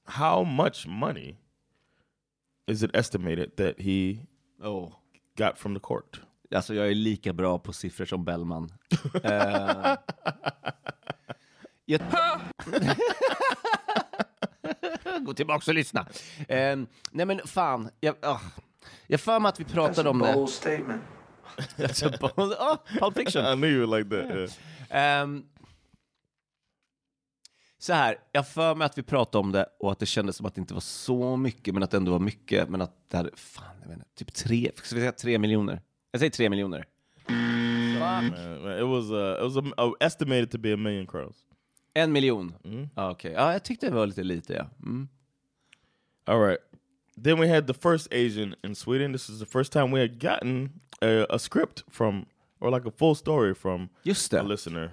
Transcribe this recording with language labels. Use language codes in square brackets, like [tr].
[en] How much money is it estimated that he got from the court? [sv] Alltså, jag är lika bra på siffror som Bellman. Gå tillbaka och lyssna. Nej, men fan. Jag för mig att vi pratade om det. [en] That's a bold statement. That's a bold. Oh, Pulp Fiction. I knew you would like that. Yeah. [sv] Så här, jag för mig att vi pratade om det och att det kändes som att det inte var så mycket, men att det ändå var mycket, men att det hade, fan, jag vet inte, typ tre, ska vi säga 3 miljoner? Jag säger 3 miljoner. [en] Man, it was estimated to be 1 million crowns. [sv] 1 miljon? Mm. Okej, okay. Ja, jag tyckte det var lite, ja. Mm. [en] All right. Then we had the first Asian in Sweden. This is the first time we had gotten a script from, or like a full story from a listener.